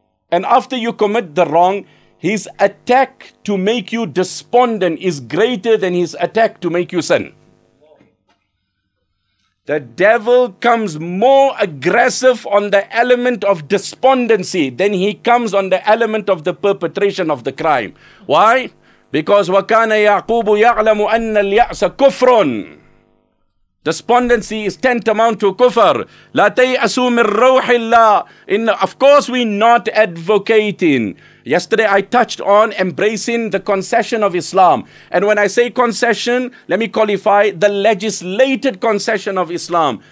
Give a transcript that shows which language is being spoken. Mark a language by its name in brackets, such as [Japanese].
[English] And after you commit the wrong, his attack to make you despondent is greater than his attack to make you sin. The devil comes more aggressive on the element of despondency than he comes on the element of the perpetration of the crime. Why? Because [Arabic] وَكَانَ يَعْقُوبُ يَعْلَمُ أَنَّ الْيَأْسَ كُفْرٌ. [English] Despondency is tantamount to kufr. [Arabic] لَا تَيْأَسُوا مِنْ رَوْحِ اللَّهِ. [English] Of course we're not advocating. Yesterday I touched on embracing the concession of Islam. And when I say concession, let me qualify, the legislated concession of Islam.